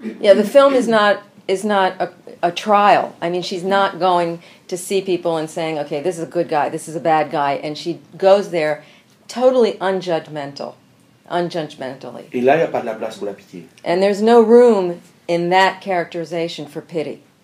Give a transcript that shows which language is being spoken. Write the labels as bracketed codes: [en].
[en] Yeah, the film is not a trial. I mean, she's not going to see people and saying, okay, this is a good guy, this is a bad guy, and she goes there totally unjudgmentally. [fr] Et là, il n'y a pas de la place pour la pitié. [en] And there's no room in that characterization for pity.